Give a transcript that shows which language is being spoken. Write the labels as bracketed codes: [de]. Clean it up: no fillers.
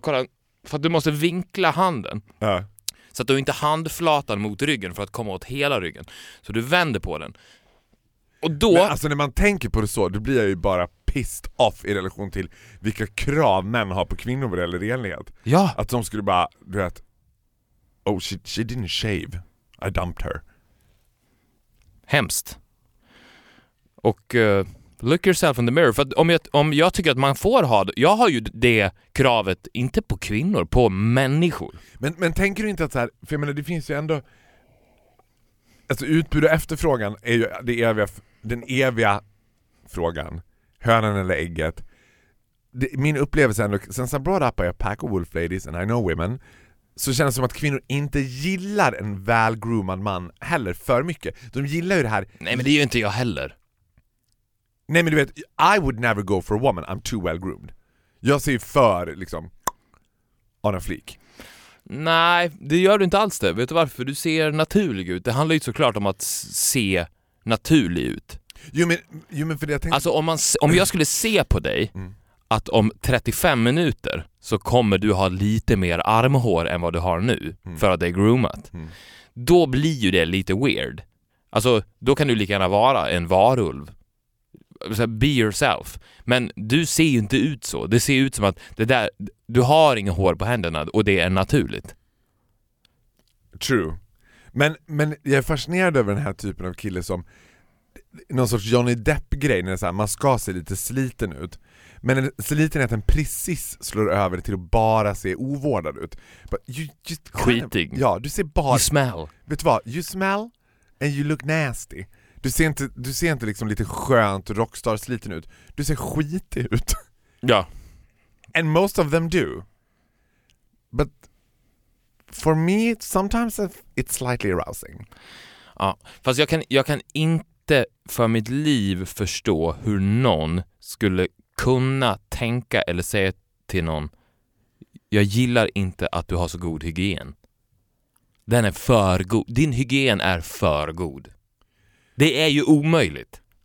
[sv] Kolla, för att du måste vinkla handen. Ja. Så att du inte handflatan mot ryggen för att komma åt hela ryggen. Så du vänder på den. Och då... Men alltså när man tänker på det så, då blir jag ju bara [en] pissed off [sv] i relation till vilka krav män har på kvinnor vad det gäller renlighet. Ja. Att de skulle bara, du vet, [en] oh she didn't shave. I dumped her. [sv] Hemskt. Och [en] look yourself in the mirror. [sv] För att om jag tycker att man får ha... Jag har ju det kravet, inte på kvinnor, på människor. Men tänker du inte att så här... För jag menar, det finns ju ändå... Alltså utbud och efterfrågan är ju den eviga frågan. Hönan eller ägget. Min upplevelse är ändå... [en] Since I brought up a pack of wolf ladies and I know women... [sv] Så känns det som att kvinnor inte gillar en väl-groomad man heller för mycket. De gillar ju det här... Nej, men det är ju inte jag heller. Nej, men du vet, [en] I would never go for a woman. I'm too well-groomed. [sv] Jag ser ju för, liksom, [en] on a fleek. [sv] Nej, det gör du inte alls det. Vet du varför? Du ser naturlig ut. Det handlar ju såklart om att se naturlig ut. Jo, men för det jag tänkte... Alltså, om jag skulle se på dig... Mm. Att om 35 minuter så kommer du ha lite mer armhår än vad du har nu för att det är groomat. Mm. Då blir ju det lite weird. Alltså, då kan du lika gärna vara en varulv. [en] Be yourself. [sv] Men du ser ju inte ut så. Det ser ut som att det där, du har inga hår på händerna och det är naturligt. [en] True. [sv] Men jag är fascinerad över den här typen av kille som... Någon sorts Johnny Depp-grej när det är så här, man ska se lite sliten ut. Men slitenheten precis slår över till att bara se ovårdad ut. Skitig. Ja, du ser bara... [en] You smell. [sv] Vet du vad? [en] You smell and you look nasty. [sv] Du ser inte liksom lite skönt rockstar-sliten ut. Du ser skitig ut. Ja. [en] And most of them do. But for me, sometimes it's slightly arousing. [sv] Ja, fast jag kan inte för mitt liv förstå hur någon skulle... kunna tänka eller säga till någon, jag gillar inte att du har så god hygien. Den är för god. Din hygien är för god. Det är ju omöjligt.